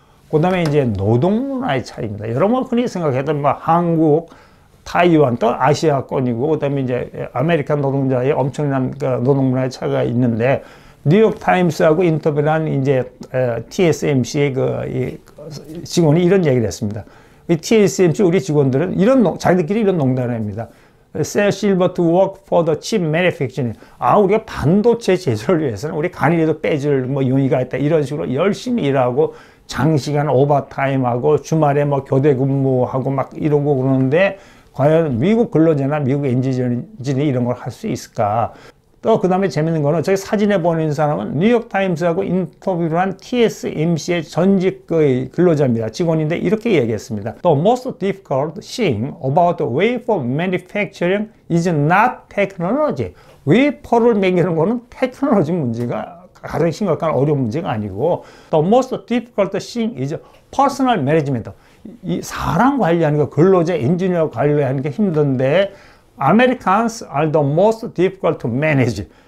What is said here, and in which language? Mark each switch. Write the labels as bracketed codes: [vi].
[ko] 그 다음에 이제 노동 문화의 차이입니다. 여러분 흔히 생각했던 뭐 한국, 타이완 또 아시아권이고 그 다음에 이제 아메리칸 노동자의 엄청난 그 노동 문화의 차이가 있는데 뉴욕타임스하고 인터뷰를 한 이제 TSMC의 그 직원이 이런 얘기를 했습니다. TSMC 우리 직원들은 이런 자기들끼리 이런 농담을 합니다. [en] Sell silver to work for the chip manufacturing. [ko] 아, 우리가 반도체 제조를 위해서는 우리 간이라도 빼줄 뭐 용의가 있다. 이런 식으로 열심히 일하고 장시간 오버타임하고 주말에 뭐 교대 근무하고 막 이러고 그러는데 과연 미국 근로자나 미국 엔지니어들이 이런 걸 할 수 있을까? 또 그 다음에 재밌는 거는 저기 사진에 보는 사람은 뉴욕타임스하고 인터뷰를 한 TSMC의 전직 근로자입니다. 직원인데 이렇게 얘기했습니다. [en] The most difficult thing about wafer manufacturing is not technology. [ko] 웨이퍼를 매기는 거는 테크놀로지 문제가 가장 심각한 어려운 문제가 아니고 [en] The most difficult thing is personal management. [ko] 이 사람 관리하는 거, 근로자, 엔지니어 관리하는 게 힘든데 [en] Americans are the most difficult to manage.